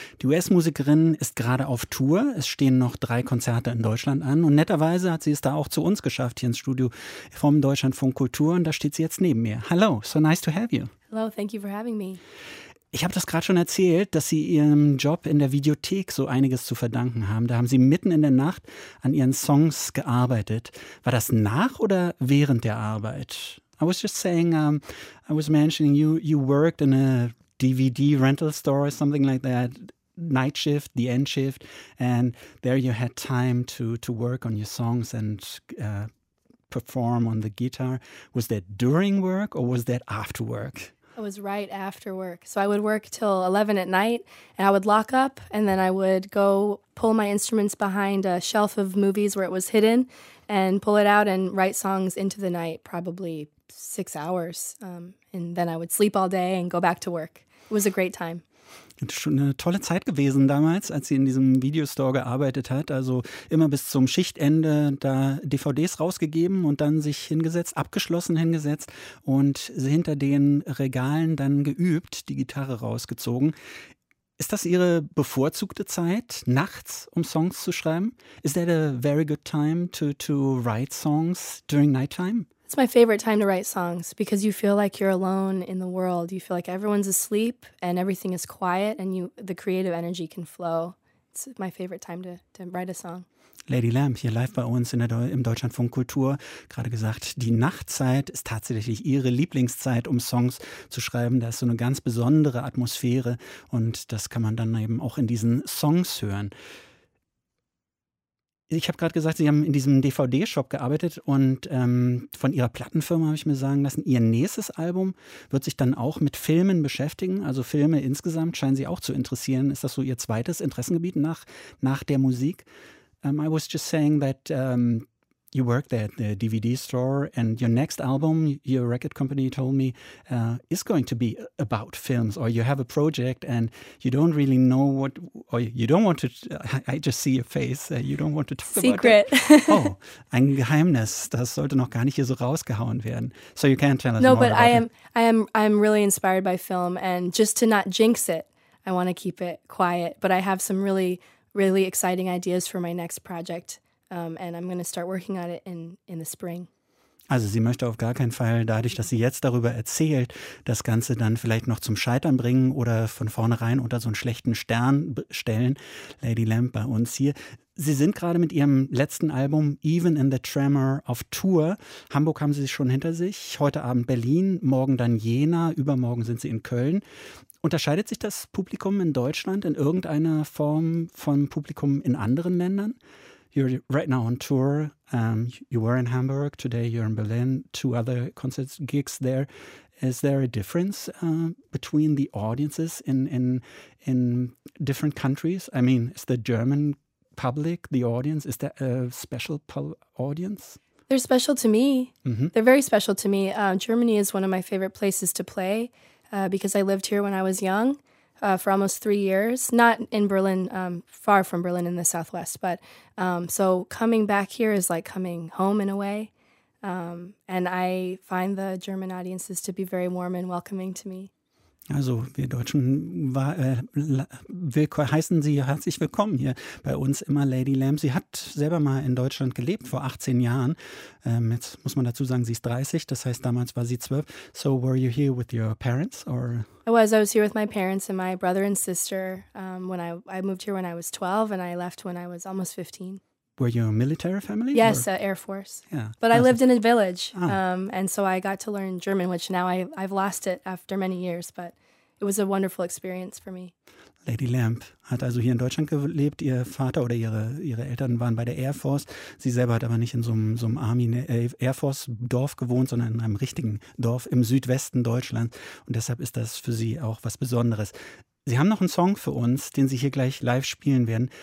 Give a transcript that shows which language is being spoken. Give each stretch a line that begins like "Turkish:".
German: Die US-Musikerin ist gerade auf Tour. Es stehen noch 3 Konzerte in Deutschland an. Und netterweise hat sie es da auch zu uns geschafft, hier ins Studio vom Deutschlandfunk Kultur. Und da steht sie jetzt neben mir.
English: Hello, so nice to have you. Hello, thank you for having me.
German: Ich habe das gerade schon erzählt, dass Sie Ihrem Job in der Videothek so einiges zu verdanken haben. Da haben Sie mitten in der Nacht an Ihren Songs gearbeitet. War das nach oder während der Arbeit?
English: I was just saying, I was mentioning you worked in a DVD rental store or something like that, night shift, the end shift, and there you had time to work on your songs and perform on the guitar. Was that during work or was that after work? It was right after work. So I would work till 11 at night and I would lock up and then I would go pull my instruments behind a shelf of movies where it was hidden and pull it out and write songs into the night, probably 6 hours. And then I would sleep all day and go back to work. It was a great time.
German: Das ist schon eine tolle Zeit gewesen damals, als sie in diesem Videostore gearbeitet hat. Also immer bis zum Schichtende da DVDs rausgegeben und dann sich hingesetzt, abgeschlossen hingesetzt und hinter den Regalen dann geübt, die Gitarre rausgezogen. Ist das Ihre bevorzugte Zeit, nachts, um Songs zu schreiben?
English: Is that a very good time to write songs during nighttime? It's my favorite time to write songs because you feel like you're alone in the world. You feel like everyone's asleep and everything is quiet and the creative energy can flow. It's my favorite time to write a song.
German: Lady Lamp hier live bei uns im Deutschlandfunk Kultur. Gerade gesagt, die Nachtzeit ist tatsächlich ihre Lieblingszeit, um Songs zu schreiben. Da ist so eine ganz besondere Atmosphäre und das kann man dann eben auch in diesen Songs hören. Ich habe gerade gesagt, Sie haben in diesem DVD-Shop gearbeitet und von Ihrer Plattenfirma habe ich mir sagen lassen, Ihr nächstes Album wird sich dann auch mit Filmen beschäftigen. Also Filme insgesamt scheinen Sie auch zu interessieren. Ist das so Ihr zweites Interessengebiet nach der Musik?
English: I was just saying that you worked at the DVD store and your next album, your record company told me, is going to be about films or you have a project and you don't really know what, or you don't want to, I just see your face, you don't want to talk Secret. About it.
German: Oh, ein Geheimnis, das sollte noch gar nicht hier so rausgehauen werden.
English: So you can't tell us no, more but about I'm really inspired by film and just to not jinx it, I want to keep it quiet, but I have some really, really exciting ideas for my next project. And I'm going to start working on it in the spring.
German: Also sie möchte auf gar keinen Fall, dadurch, dass sie jetzt darüber erzählt, das Ganze dann vielleicht noch zum Scheitern bringen oder von vornherein unter so einen schlechten Stern stellen. Lady Lamp bei uns hier. Sie sind gerade mit ihrem letzten Album Even in the Tremor auf Tour. Hamburg haben sie schon hinter sich. Heute Abend Berlin, morgen dann Jena, übermorgen sind sie in Köln. Unterscheidet sich das Publikum in Deutschland in irgendeiner Form vom Publikum in anderen Ländern?
English: You're right now on tour. You were in Hamburg. Today you're in Berlin. 2 other concerts, gigs there. Is there a difference between the audiences in different countries? I mean, is the German public the audience? Is there a special audience? They're special to me. Mm-hmm. They're very special to me. Germany is one of my favorite places to play because I lived here when I was young. For almost 3 years, not in Berlin, far from Berlin in the Southwest. But so coming back here is like coming home in a way. And I find the German audiences to be very warm and welcoming to me.
German: Also wir Deutschen heißen Sie herzlich willkommen hier bei uns immer, Lady Lamb. Sie hat selber mal in Deutschland gelebt vor 18 Jahren. Jetzt muss man dazu sagen, sie ist 30, das heißt damals war sie 12.
English: So were you here with your parents or? I was here with my parents and my brother and sister. When I moved here when I was 12 and I left when I was almost 15. Were you a military family? Yes, Air Force. Yeah. But I lived in a village, and so I got to learn German, which now I've lost it after many years, but it was a wonderful experience for me.
German: Lady Lamp hat also hier in Deutschland gelebt. Ihr Vater oder ihre Eltern waren bei der Air Force. Sie selber hat aber nicht in so einem Army Air Force Dorf gewohnt, sondern in einem richtigen Dorf im Südwesten Deutschlands. Und deshalb ist das für sie auch was Besonderes. Sie haben noch einen Song für uns, den Sie hier gleich live spielen werden.